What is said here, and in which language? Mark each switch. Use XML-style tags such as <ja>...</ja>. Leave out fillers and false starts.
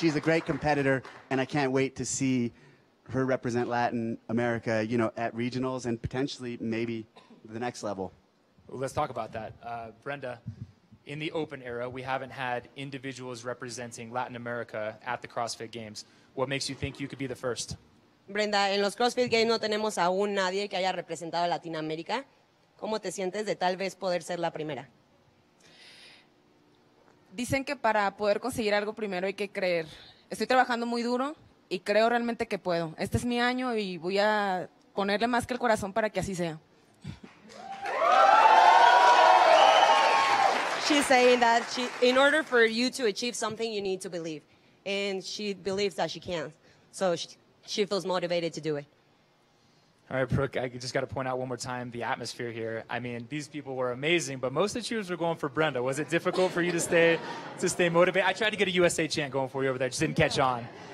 <en>She's a great competitor, and I can't wait to see her represent Latin America, at regionals and potentially maybe the next level. Well, let's talk about that. Brenda, in the open era, we haven't had individuals representing Latin America at the CrossFit Games. What makes you think you could be the first?</en> <es>Brenda, en los CrossFit Games no tenemos aún nadie que haya representado a Latinoamérica. ¿Cómo te sientes de tal vez poder ser la primera? Dicen que para poder conseguir algo primero hay que creer. Estoy trabajando muy duro. Y creo realmente que puedo. Este es mi año y voy a ponerle más que el corazón para que así sea.</es> <en>She's saying that she, in order for you to achieve something, you need to believe. And she believes that she can. So she feels motivated to do it. All right, Brooke, I just got to point out one more time the atmosphere here. I mean, these people were amazing, but most of the cheers were going for Brenda. Was it difficult for you to stay motivated? I tried to get a USA chant going for you over there. Just didn't catch on.</en>